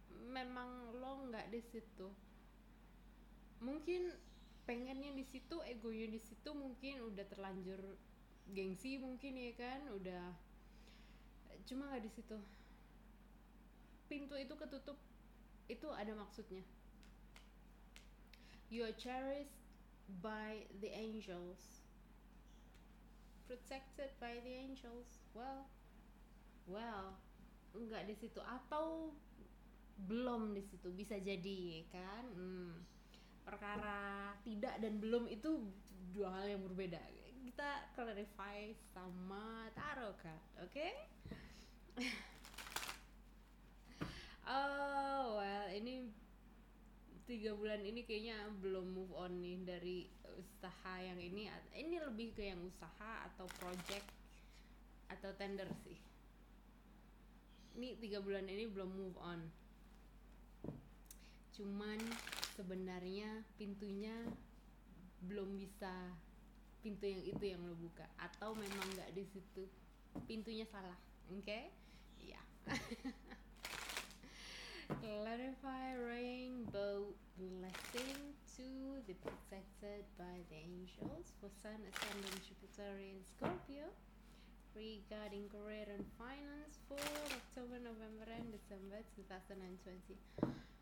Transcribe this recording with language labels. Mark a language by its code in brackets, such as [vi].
[id] Memang lo nggak di situ. Mungkin pengennya di situ, egonya di situ, mungkin udah terlanjur gengsi, mungkin ya kan, udah. Cuma nggak di situ. Pintu itu ketutup, itu ada maksudnya. [en] You are cherished by the angels, protected by the angels. [id] Well, enggak di situ atau belum di situ, bisa jadi kan. Perkara tidak dan belum itu dua hal yang berbeda. Kita clarify sama tarot card, oke? Oh, well, ini 3 bulan ini kayaknya belum move on nih dari usaha yang ini. Ini lebih ke yang usaha atau project atau tender sih. Ini 3 bulan ini belum move on. Cuman sebenarnya pintunya belum bisa, pintu yang itu yang lo buka, atau memang gak di situ, pintunya salah, oke? [en] Okay? Yeah. Clarify rainbow blessing to the protected by the angels for Sun, Ascendant, Jupiter in Scorpio regarding career and finance for October, November, and December 2020.